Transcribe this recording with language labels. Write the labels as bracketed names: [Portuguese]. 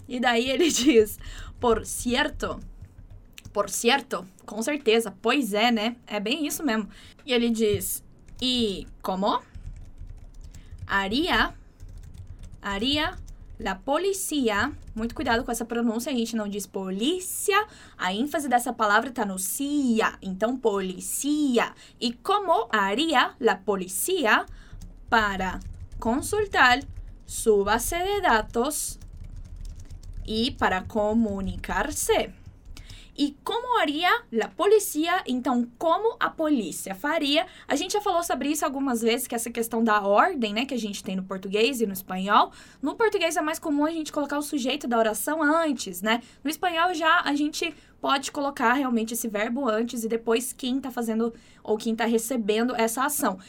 [Portuguese] E daí ele diz, [Spanish] por cierto, [Portuguese] com certeza, pois é, né? É bem isso mesmo. E ele diz, e como? [Spanish] Haría la policía, [Portuguese] muito cuidado com essa pronúncia, a gente não diz polícia, a ênfase dessa palavra tá no cia, então policía. [Spanish] E como haría la policía para consultar su base de datos y para comunicarse? [Portuguese] E como faria a polícia, então, como a polícia faria? A gente já falou sobre isso algumas vezes, que essa questão da ordem, né, que a gente tem no português e no espanhol. No português é mais comum a gente colocar o sujeito da oração antes, né? No espanhol já a gente pode colocar realmente esse verbo antes e depois quem tá fazendo ou quem tá recebendo essa ação.